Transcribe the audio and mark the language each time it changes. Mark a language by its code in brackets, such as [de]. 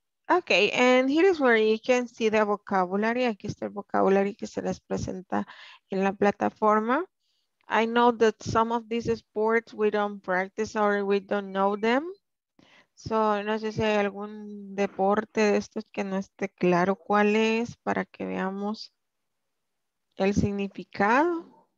[en] Okay, and here is where you can see the vocabulary. [es] Aquí está el vocabulario que se les presenta en la plataforma. [en] I know that some of these sports we don't practice or we don't know them. So, [es] no sé si hay algún deporte de estos que no esté claro cuál es para que veamos el significado.